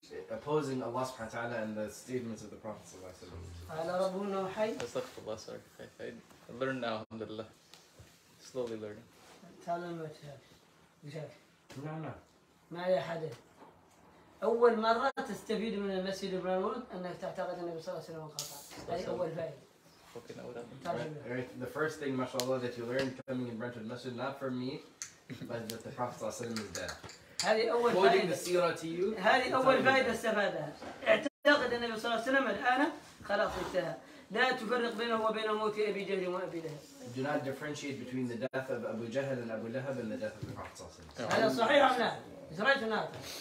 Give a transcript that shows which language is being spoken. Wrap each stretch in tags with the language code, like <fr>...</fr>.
<en>Opposing Allah subhanahu wa ta'ala and the statements of the Prophet sallallahu alayhi wa Astaghfirullah, sorry. I learned now, alhamdulillah. Slowly learning. Tell them what you have. No.</en> <ar>Ma'ya hadith. أول مرة تستفيد من المسجد البرنوود أنك تعتقد النبي صلى الله عليه وسلم قطع. هذه أول فائدة.</ar> <en>Right. The first thing, mashallah, that you learned coming in Brentwood Masjid, not from me, but that the Prophet sallallahu alayhi wa sallam is dead.</en> <ar>هذه أول فائدة استفادها. اعتقد أن النبي صلى الله عليه وسلم الآن خلاص انتهى. لا تفرق بينه وبين موت أبي جهل وأبي لهب.</ar> <en>Do not differentiate between the death of Abu Jahl and Abu Lahab and the death of the Prophet صلى الله عليه وسلم.</en> <ar>هذا صحيح أم لا؟</ar> <en>Is right or not?</en>